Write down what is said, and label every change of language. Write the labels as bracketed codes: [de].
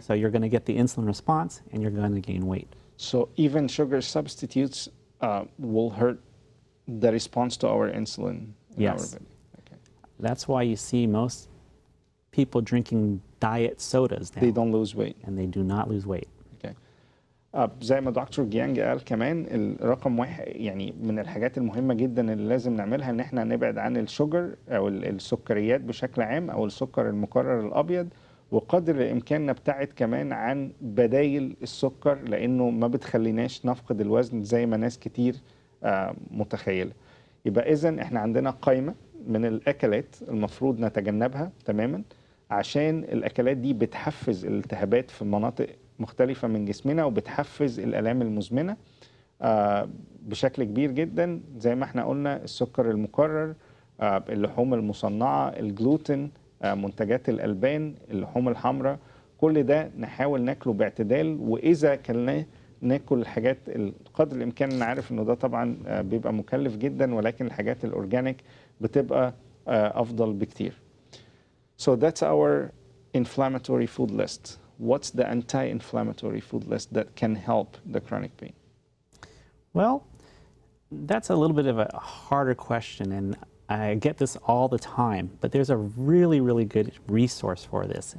[en] So you're going to get the insulin response, and you're going to gain weight. So even sugar substitutes will hurt the response to our insulin in yes. our body. Okay. That's why you see most people drinking diet sodas now. They don't lose weight. And they do not lose weight. Okay. [ar] زي ما دكتور جيانج قال كمان الرقم واحد يعني من الحاجات المهمة جدا اللي لازم نعملها ان احنا نبعد عن الشجر او السكريات بشكل عام او السكر المكرر الابيض وقدر الامكان نبتعد كمان عن بدايل السكر لانه ما بتخليناش نفقد الوزن زي ما ناس كتير متخيل. يبقى إذن احنا عندنا قائمة من الأكلات المفروض نتجنبها تماما، عشان الأكلات دي بتحفز الالتهابات في مناطق مختلفة من جسمنا وبتحفز الآلام المزمنة بشكل كبير جدا، زي ما احنا قلنا السكر المكرر، اللحوم المصنعة، الجلوتين، منتجات الألبان، اللحوم الحمراء، كل ده نحاول ناكله باعتدال، وإذا كلناه ناكل الحاجات القدر الإمكان. نعرف أنه ده طبعا بيبقى مكلف جدا، ولكن الحاجات الأورجانيك بتبقى أفضل بكتير. [en] So that's our inflammatory food list. What's the anti-inflammatory food list that can help the chronic pain? Well, that's a little bit of a harder question, and I get this all the time, but there's a really, really good resource for this.